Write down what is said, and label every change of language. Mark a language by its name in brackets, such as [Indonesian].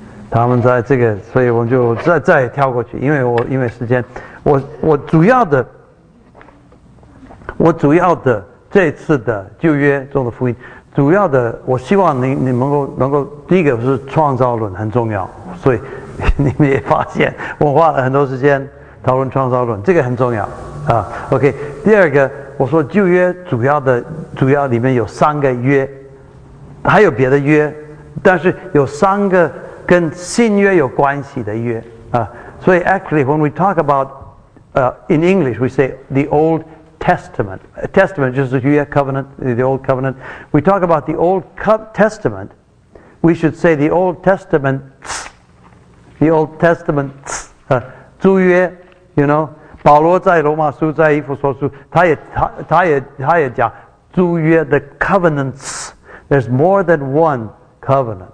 [Chinese] 他们在这个，所以我们就再跳过去，因为时间，我主要的这次的旧约中的福音，主要的我希望你能够第一个是创造论很重要，所以你们也发现我花了很多时间讨论创造论，这个很重要啊。 OK， 第二个我说旧约主要里面有三个约，还有别的约，但是有三个跟新约有关系的约啊。 [English] 所以 actually when we talk about in English we say the OldTestament. Testament, just the Old Covenant, the Old Covenant. We talk about the Old Testament. We should say the Old Testament. The Old Testament. 旧约 you know. [Chinese] 保罗在罗马书在以弗所书，他也讲旧约 the covenants. [English] There's more than one covenant.